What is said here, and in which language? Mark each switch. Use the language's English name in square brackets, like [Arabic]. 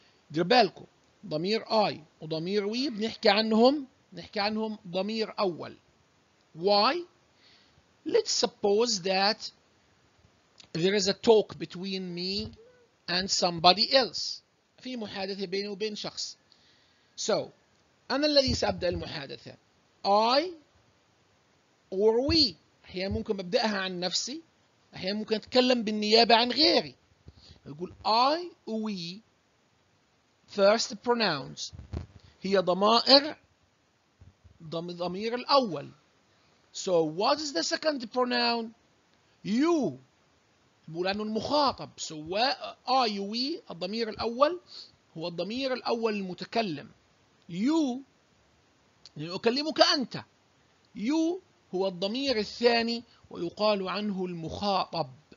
[Arabic] دير بالكم ضمير I وضمير we بنحكي عنهم ضمير أول. [English] Why? Let's suppose that there is a talk between me and somebody else. [Arabic] في محادثة بيني وبين شخص. So, أنا الذي سأبدأ المحادثة. [English] I or we. [Arabic] أحيانا ممكن أبدأها عن نفسي. أحيانا ممكن أتكلم بالنيابة عن غيري. أقول [English] I, we, first pronouns. [Arabic] هي ضمائر ضمير الأول. [English] So what is the second pronoun? [Arabic] You. لأنه المخاطب. So I, we, الضمير الأول هو الضمير الأول المتكلم. You. أكلمك أنت. You هو الضمير الثاني ويقال عنه المخاطب.